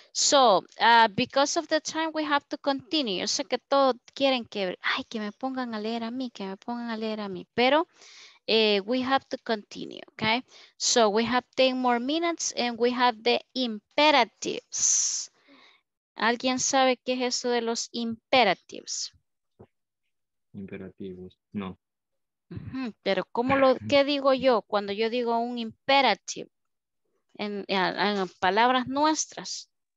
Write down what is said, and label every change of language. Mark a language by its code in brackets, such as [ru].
[en] So, because of the time, we have to continue. [es] Yo sé que todos quieren que, ay, que me pongan a leer a mí, que me pongan a leer a mí. [en] Pero we have to continue, okay? So, we have 10 more minutes and we have the imperatives. [es] ¿Alguien sabe qué es eso de los imperatives? Imperativos, no. Pero cómo lo, ¿qué digo yo cuando yo digo un imperative en palabras nuestras?